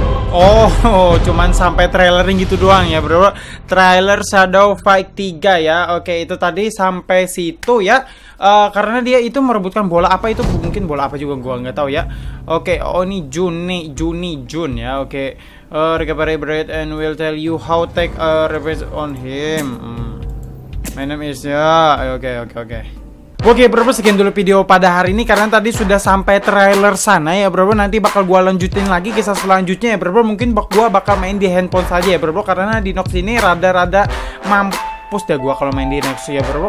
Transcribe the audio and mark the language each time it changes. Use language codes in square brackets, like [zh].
[id] Oh, cuman sampai trailering gitu doang ya, bro. Trailer Shadow Fight 3 ya. Oke, itu tadi sampai situ ya. Karena dia itu merebutkan bola apa itu. Mungkin bola apa juga, gue nggak tahu ya. Oke, ini Juni ya. Oke. [en] Recuperate and will tell you how take a revenge on him. My name is... [id] Oke. Oke, bro, sekian dulu video pada hari ini karena tadi sudah sampai trailer sana ya, bro. Nanti bakal gua lanjutin lagi kisah selanjutnya ya, bro. Mungkin gua bakal main di handphone saja ya, bro, karena di Nox ini rada-rada mampus dah gua kalau main di Nox ya, bro.